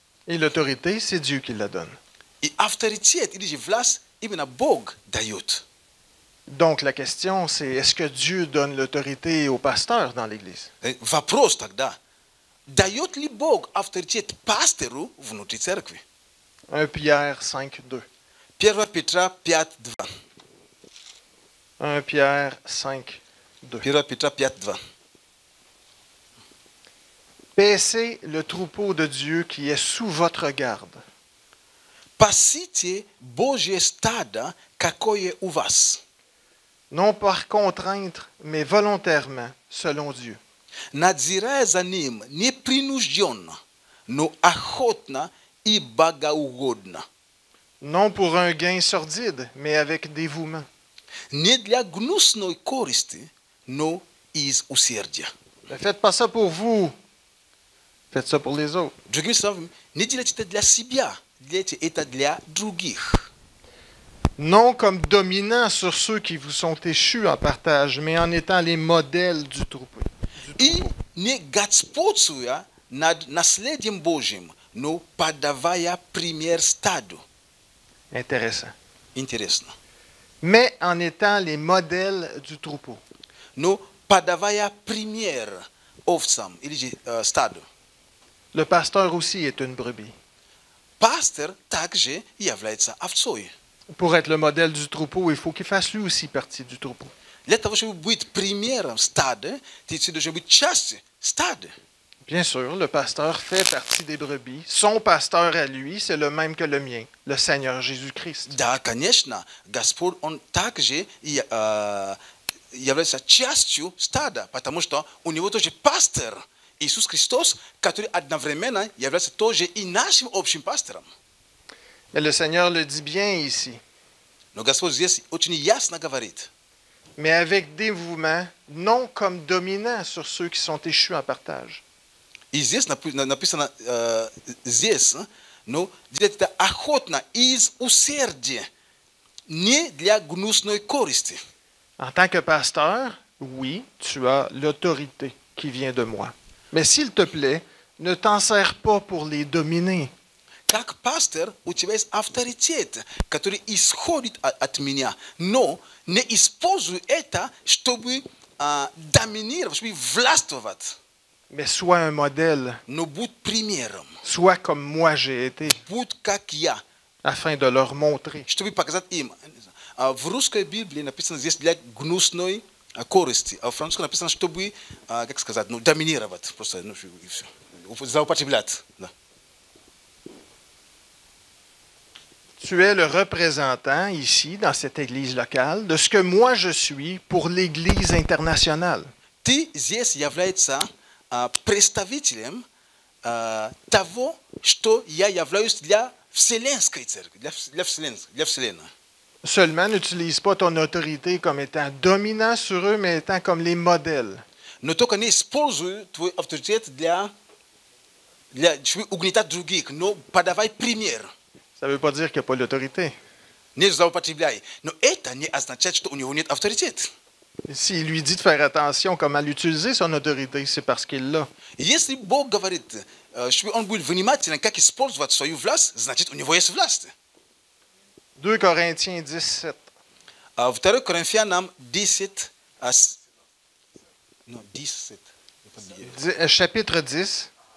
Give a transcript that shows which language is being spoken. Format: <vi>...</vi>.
<fr>Et l'autorité, c'est Dieu qui la donne. Et</fr> <ru>авторитет, или же власть, именно Бог дает.</ru> <fr>Donc la question, c'est est-ce que Dieu donne l'autorité au pasteur dans l'église?</fr> <ru>Вопрос тогда, дает ли Бог авторитет пастору внутри церкви?</ru> <fr>1 Pierre 5, 2.</fr> <ru>1 Петра 5, 2.</ru> <fr>1 Pierre 5, 2.</fr> <ru>1 Петра 5, 2.</ru> <fr>Paissez le troupeau de Dieu qui est sous votre garde.</fr> <ru>Пасите Божье стадо, какое у вас.</ru> <fr>Non par contrainte, mais volontairement, selon Dieu.</fr> <ru>Надзирая за ним, не принужденно, но охотно и богоугодно.</ru> <fr>Non pour un gain sordide, mais avec dévouement.</fr> <ru>Не для гнусной користи, но из усердия.</ru> <fr>Ne faites pas ça pour vous. Faites ça pour les autres.</fr> <ru>Другими словами, не делайте это для себя, делайте это для других.</ru> <fr>Non comme dominant sur ceux qui vous sont échus en partage, mais en étant les modèles du troupeau.</fr> <ru>И не господствуя над наследием Божьим, но подавая пример стаду.</ru> <fr>Intéressant.</fr> <ru>Интересно.</ru> <fr>Mais en étant les modèles du troupeau.</fr> <ru>Но подавая пример овцам или же стаду.</ru> <fr>Le pasteur aussi est une brebis.</fr> <ru>Pastor также является овцой.</ru> <fr>Pour être le modèle du troupeau, il faut qu'il fasse lui aussi partie du troupeau.</fr> <ru>Для того, чтобы быть примером стада, ты должен быть частью стада.</ru> <fr>Bien sûr, le pasteur fait partie des brebis. Son pasteur à lui, c'est le même que le mien, le Seigneur Jésus-Christ.</fr> <ru>Да, конечно, Господь он также является частью стада, потому что у него тоже пастор. Иисус Христос, который одновременно является тоже и нашим общим пастором.</ru> <fr>Mais le Seigneur le dit bien ici.</fr> <ru>Но Господь здесь очень ясно говорит.</ru> <fr>Mais avec dévouement, non comme dominant sur ceux qui sont échus en partage.</fr> <ru>И здесь написано, здесь, но делать это охотно, из усердия, не для гнусной корости.</ru> <fr>En tant que pasteur, oui, tu as l'autorité qui vient de moi. Mais s'il te plaît, ne t'en sers pas pour les dominer.</fr> <ru>Как пастор, у тебя есть авторитет, который исходит от меня. Но не используй это, чтобы доминировать, чтобы властвовать.</ru> <fr>Mais sois un modèle.</fr> <ru>Но будь примером.</ru> <fr>Sois comme moi j'ai été.</fr> <ru>Будь как я.</ru> <fr>Afin de leur montrer.</fr> <ru>Чтобы показать им. В русской Библии написано здесь для гнусной корости. А в французском написано, чтобы, как сказать, ну, доминировать. Просто, ну, и все. Заупотреблять. Да.</ru> <fr>Tu es le représentant ici, dans cette église locale, de ce que moi je suis pour l'église internationale.</fr> <ru>Ты здесь являешься представителем того, что я являюсь для Вселенской Церкви, для Вселенной. Для Вселенной.</ru> <fr>Seulement, n'utilise pas ton autorité comme étant dominant sur eux, mais étant comme les modèles.</fr> <ru>Не только не используй твою авторитет для чтобы угнетать других, но подавай пример.</ru> <fr>Ça ne veut pas dire qu'il n'y a pas d'autorité.</fr> <ru>Не заупотребляй. Но это не означает, что у него нет авторитета.</ru> <fr>S'il lui dit de faire attention comment l'utiliser, son autorité, c'est parce qu'il l'a.</fr> <ru>Если Бог говорит, чтобы он был внимателен, как использовать свою власть, значит, у него есть власть.</ru> <fr>2 Corinthiens 17. 2 Corinthiens 17. Non, 17. Chapitre 10.</fr>